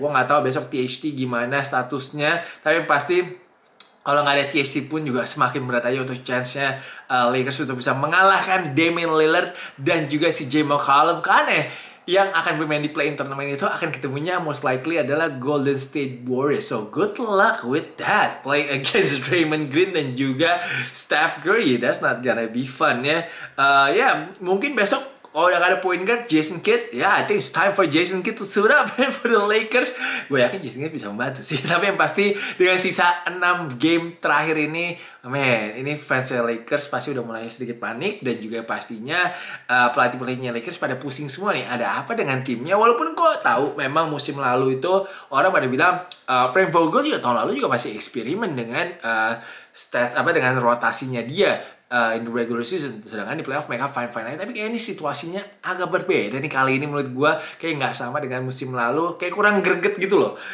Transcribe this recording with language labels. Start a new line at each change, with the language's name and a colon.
Indonesian: Gue gak tahu besok THT gimana statusnya, tapi yang pasti kalau gak ada THT pun juga semakin berat aja untuk chance-nya Lakers untuk bisa mengalahkan Damian Lillard dan juga si Jae McCollum. Karena yang akan bermain di play-in turnamen itu akan ketemunya most likely adalah Golden State Warriors.
English: So good luck with that, playing against Draymond Green dan juga Steph Curry. That's not gonna be fun ya. Yeah,
Indonesian: mungkin besok kalau udah gak ada
English: point guard Jason Kidd, yeah, I think it's time for Jason Kidd to suit up for the Lakers.
Indonesian: Gue yakin Jason Kidd bisa membantu sih. Tapi yang pasti dengan sisa 6 game terakhir ini, man, ini fans Lakers pasti udah mulai sedikit panik. Dan juga pastinya pelatih-pelatihnya Lakers pada pusing semua nih. Ada apa dengan timnya? Walaupun gue tahu memang musim lalu itu orang pada bilang Frank Vogel juga tahun lalu juga masih eksperimen dengan dengan rotasinya dia
English: in the regular season,
Indonesian: sedangkan di playoff mereka fine-fine aja. Tapi kayak ini situasinya agak berbeda nih kali ini menurut gue, kayak gak sama dengan musim lalu, kayak kurang greget gitu loh.